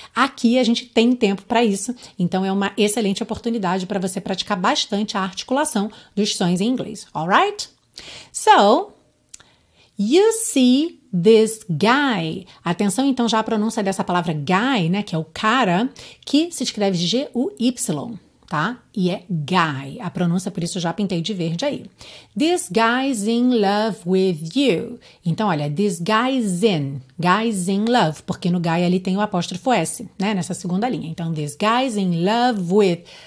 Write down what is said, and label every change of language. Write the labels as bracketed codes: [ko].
[pt] Aqui a gente tem tempo para isso, então é uma excelente oportunidade para você praticar bastante a articulação dos sons em inglês, alright? [en] So, you see this guy. [pt] Atenção então já à pronúncia dessa palavra guy, né, que é o cara, que se escreve G-U-Y, tá? E é guy. A pronúncia, por isso, eu já pintei de verde aí. [en] This guy's in love with you. [pt] Então, olha, [en] this guy's in. Guy's in love. [pt] Porque no guy ali tem o apóstrofo S, né? Nessa segunda linha. Então, [en] this guy's in love with.